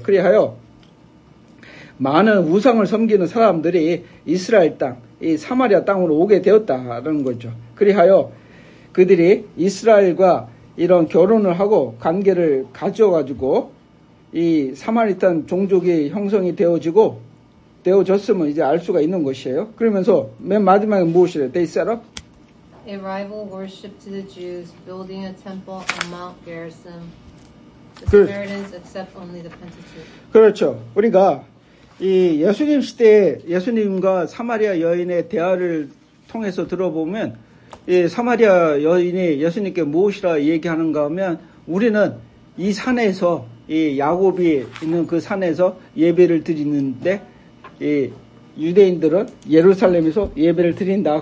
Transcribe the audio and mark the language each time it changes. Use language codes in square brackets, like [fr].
[ko] 그리하여 많은 우상을 섬기는 사람들이 이스라엘 땅, 이 사마리아 땅으로 오게 되었다라는 거죠. 그리하여 그들이 이스라엘과 이런 결혼을 하고 관계를 가져가지고 이 사마리탄 종족이 형성이 되어졌으면 이제 알 수가 있는 것이에요. 그러면서 맨 마지막에 무엇이래요? [en] They set up a rival worship to the Jews, building a temple on Mount Gerizim. The Samaritans accept only the Pentateuch. [ko] 그렇죠. 우리가 이 예수님 시대에 예수님과 사마리아 여인의 대화를 통해서 들어보면 이 사마리아 여인이 예수님께 무엇이라 얘기하는가 하면 우리는 이 산에서 이 야곱이 있는 그 산에서 예배를 드리는데 이 유대인들은 예루살렘에서 예배를 드린다.